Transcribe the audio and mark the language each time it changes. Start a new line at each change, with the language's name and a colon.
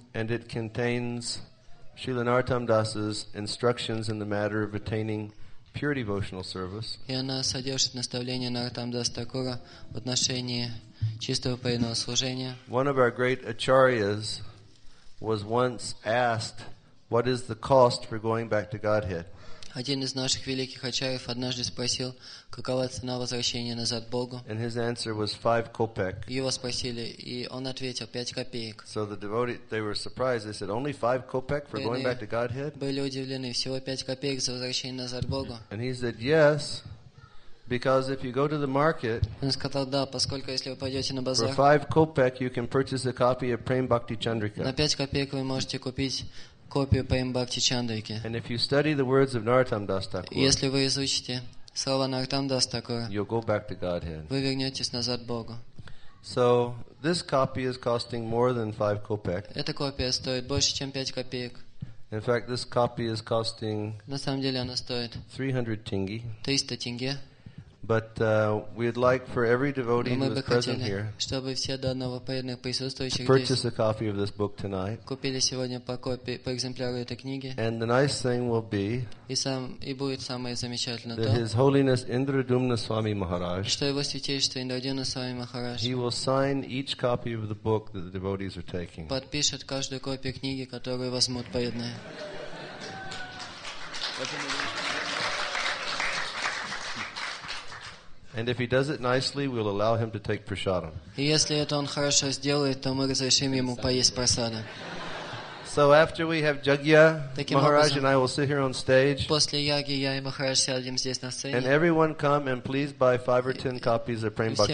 English: And it contains Srila Narottam Das's instructions in the matter of attaining pure devotional service.
Russian: И она содержит наставления Нартам Дас Такура в отношении чистого преданного служения.
English: One of our great acharyas was once asked, "What is the cost for going back to Godhead?"
Russian: Один из наших великих ачарьев однажды спросил, какова цена возвращения назад Богу.
English: And his answer was 5 kopek.
Russian: Его спросили, и он ответил 5 копеек.
English: So the devotees, they were surprised. They said, "Only 5 kopek for going back to Godhead?"
Russian: Были удивлены, всего 5 копеек за возвращение назад Богу.
English: And he said, "Yes, because if you go to the market,
Russian: он сказал, да, поскольку если вы пойдете на базар,
English: for 5 kopek you can purchase a copy of Prem Bhakti Chandrika.
Russian: На 5 копеек вы можете купить копию Прем Бхакти Чандрики.
English: And if you study the words of Narottam Das Thakur,
Russian: если вы изучите слова Нартам Дас Такура,
English: you'll go back to Godhead.
Russian: Вы вернетесь назад Богу.
English: So this copy is costing more than 5 kopek.
Russian: Эта копия стоит больше чем 5 копеек.
English: In fact, this copy is costing
Russian: на самом деле она стоит 300 тенге. 300 тенге.
English: But we'd like for every devotee who is present here to purchase a copy of this book tonight. And the nice thing will be that His Holiness Indradumna Swami Maharaj, He will sign each copy of the book that the devotees are taking. And if he does it nicely, we'll allow him to take prasadam.
Russian: Если это он хорошо сделает, то мы разрешим ему поесть прасада.
English: So after we have Jagya, Maharaj and I will sit here on stage.
Russian: После яги я и Махарадж сядем здесь на сцене.
English: And everyone come and please buy 5 or 10 copies of Prem Bhakti Chandrika.